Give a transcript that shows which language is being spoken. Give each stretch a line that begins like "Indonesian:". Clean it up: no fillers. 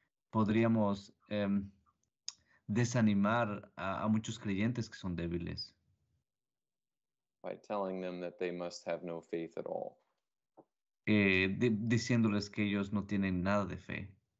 Spanish: Podríamos desanimar a muchos creyentes que son débiles.
English: By telling them that they must have no faith at all.
Spanish: Diciéndoles que ellos no tienen nada de fe.